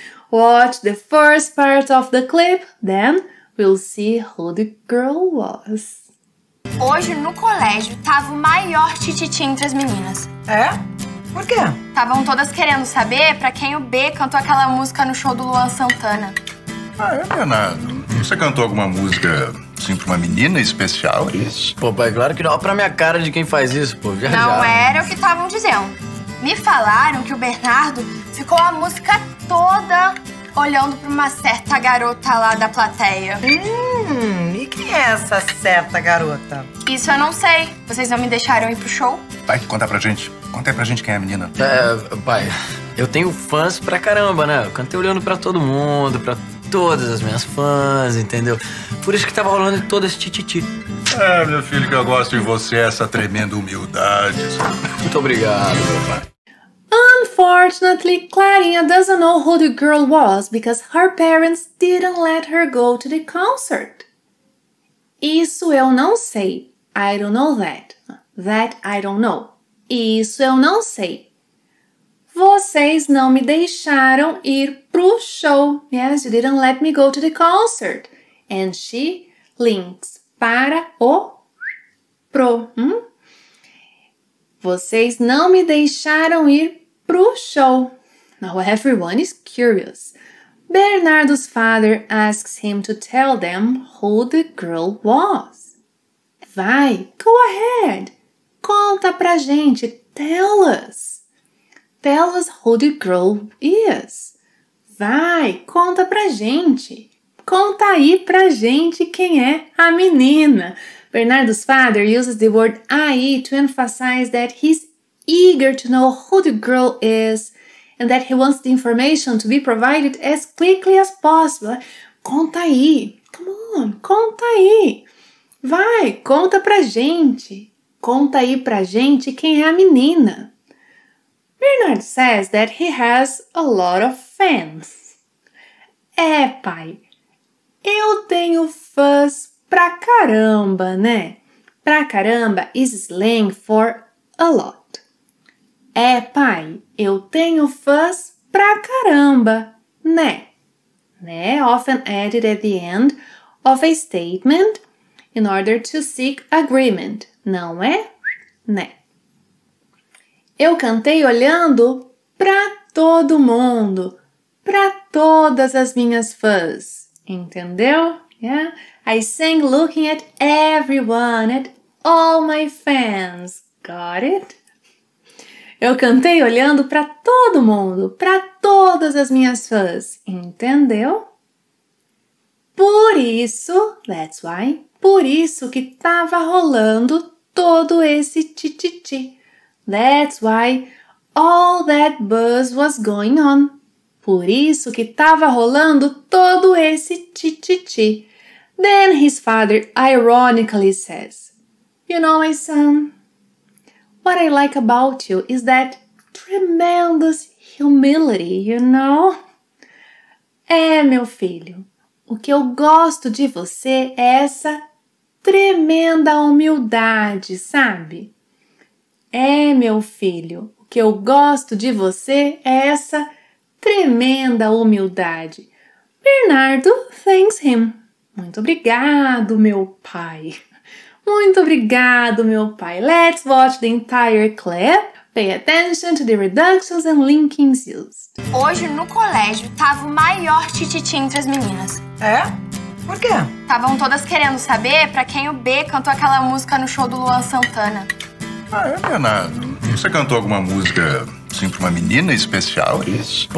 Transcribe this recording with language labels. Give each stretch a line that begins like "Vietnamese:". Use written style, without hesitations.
English: Watch the first part of the clip, then we'll see who the girl was.
Portuguese: Hoje no colégio tava o maior tititi entre as meninas. É? Por quê? Estavam todas querendo saber pra quem o B cantou aquela música no show do Luan Santana. Ah, é, Bernardo? Você cantou alguma música assim pra uma menina especial? Isso. Pô, pai, claro que não. Olha pra minha cara de quem faz isso, pô. Já, não já. Era o que estavam dizendo. Me falaram que o Bernardo ficou a música toda olhando pra uma certa garota lá da plateia. E quem é essa certa garota? Isso eu não sei. Vocês não me deixaram ir pro show? Pai, conta pra gente. Conta aí pra gente quem é a menina. Pai, eu tenho fãs pra caramba, né? Eu cantei olhando pra todo mundo, pra todas as minhas fãs, entendeu? Por isso que tava rolando todo esse tititi. É, meu filho, que eu gosto de você, essa tremenda humildade. Muito obrigado, meu pai.
English: Unfortunately, Clarinha doesn't know who the girl was because her parents didn't let her go to the concert.
Portuguese: Isso eu não sei.
English: I don't know that. That I don't know.
Portuguese: Isso eu não sei. Vocês não me deixaram ir pro show.
English: Yes, you didn't let me go to the concert. And she links para o pro. Hmm?
Portuguese: Vocês não me deixaram ir pro show.
English: Now everyone is curious. Bernardo's father asks him to tell them who the girl was.
Portuguese: Vai,
English: go ahead.
Portuguese: Conta pra gente.
English: Tell us. Tell us who the girl is.
Portuguese: Vai, conta pra gente. Conta aí pra gente quem é a menina.
English: Bernardo's father uses the word aí to emphasize that he's eager to know who the girl is and that he wants the information to be provided as quickly as possible.
Portuguese: Conta aí.
English: Come on,
Portuguese: conta aí. Vai, conta pra gente. Conta aí pra gente quem é a menina.
English: Bernard says that he has a lot of fans.
Portuguese: É, pai, eu tenho fãs pra caramba, né?
English: Pra caramba is slang for a lot.
Portuguese: É, pai, eu tenho fãs pra caramba, né?
English: Né, often added at the end of a statement in order to seek agreement, não é? Né.
Portuguese: Eu cantei olhando pra todo mundo, pra todas as minhas fãs, entendeu? Yeah?
English: I sang looking at everyone, at all my fans. Got it?
Portuguese: Eu cantei olhando pra todo mundo, pra todas as minhas fãs, entendeu? Por isso,
English: that's why,
Portuguese: por isso que tava rolando todo esse ti-ti-ti.
English: That's why all that buzz was going on.
Portuguese: Por isso que tava rolando todo esse ti-ti-ti.
English: Then his father ironically says, "You know, my son, what I like about you is that tremendous humility, you know?"
Portuguese: É, meu filho, o que eu gosto de você é essa tremenda humildade, sabe? É, meu filho, o que eu gosto de você é essa tremenda humildade.
English: Bernardo thanks him.
Portuguese: Muito obrigado, meu pai. Muito obrigado, meu pai.
English: Let's watch the entire clip. Pay attention to the reductions and linkings used.
Portuguese: Hoje, no colégio, tava o maior tititi entre as meninas. É? Por quê? Estavam todas querendo saber pra quem o B cantou aquela música no show do Luan Santana. Ah, é, Nena? Você cantou alguma música, assim, pra uma menina especial? Isso.